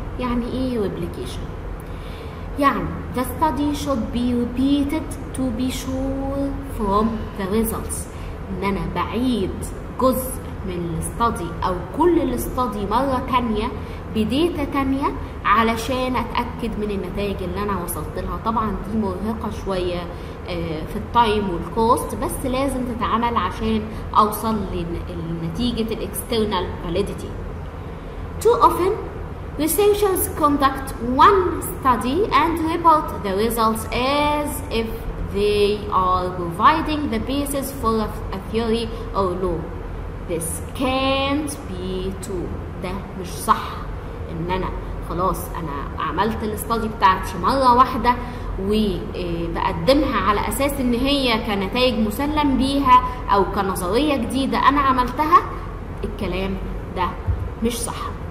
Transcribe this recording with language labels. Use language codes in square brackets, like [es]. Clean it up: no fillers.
[ar] يعني ايه ريبليكيشن؟ يعني the study should be repeated to be sure from the results، ان انا بعيد جزء من الستادي او كل الستادي مرة تانية بديتا تانية علشان اتأكد من النتائج اللي انا وصلت لها. طبعا دي مرهقة شوية في التايم والكوست، بس لازم تتعمل عشان اوصل لنتيجة الاكسترنال فاليديتي. [en] Too often researchers conduct one study and report the results as if they are providing the basis for a theory or law. This can't be true. ده مش صح. [ar] ان انا خلاص انا عملت الستادي بتاعتي مرة واحدة وبقدمها على اساس ان هي كنتائج مسلم بيها او كنظرية جديدة انا عملتها، الكلام ده مش صح.